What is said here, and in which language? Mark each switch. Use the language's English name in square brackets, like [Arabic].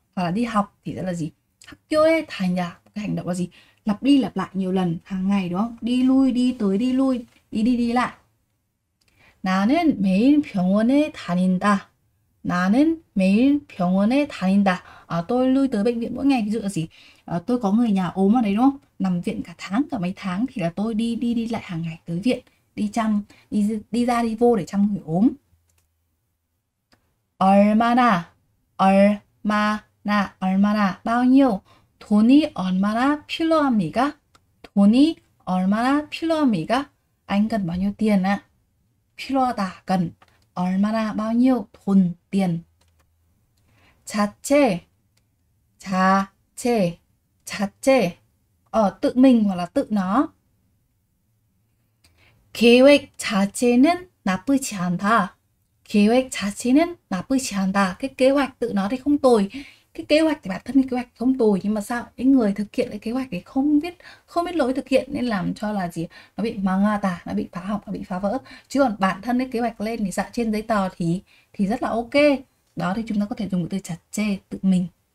[Vietnamese] Hoặc là đi học thì sẽ là gì? [Korean] 학교에 다니다. [Vietnamese] Cái hành động là gì? Lặp đi lặp lại nhiều lần hàng ngày đúng không? Đi lui đi tới đi lui, đi đi đi lại. [Korean] 나는 매일 병원에 다닌다. 나는 매일 병원에 다닌다. [Vietnamese] À, tôi lui tới bệnh viện mỗi ngày. Ví dụ là gì? À, tôi có người nhà ốm ở đấy đúng không? Nằm viện cả tháng, cả mấy tháng thì là tôi đi đi đi lại hàng ngày tới viện, đi chăm, đi ra đi vô để chăm người ốm. [Korean] 얼마나, 얼마나, 얼마나, [Vietnamese] bao nhiêu? [Korean] 돈이 얼마나 필요합니까? 돈이 얼마나 필요합니까? [Vietnamese] Anh cần bao nhiêu tiền ạ? 필요하다, cần. 얼마나, bao nhiêu? [Korean] 돈, tiền. 자체, 자체, 자체. [Vietnamese] Ờ, tự mình hoặc là tự nó. [Korean] 계획 자체는 나쁘지 않다. 계획 자체는 나쁘지 않다. [Vietnamese] Cái kế hoạch tự nó thì không tồi. Cái kế hoạch thì bản thân cái kế hoạch không tồi, nhưng mà sao cái người thực hiện cái kế hoạch thì không biết lỗi thực hiện, nên làm cho là gì, nó bị mang à tả, nó bị phá hỏng, nó bị phá vỡ. Chứ còn bản thân cái kế hoạch lên thì dạng trên giấy tờ thì rất là ok. Đó thì chúng ta có thể dùng từ chặt chê tự mình.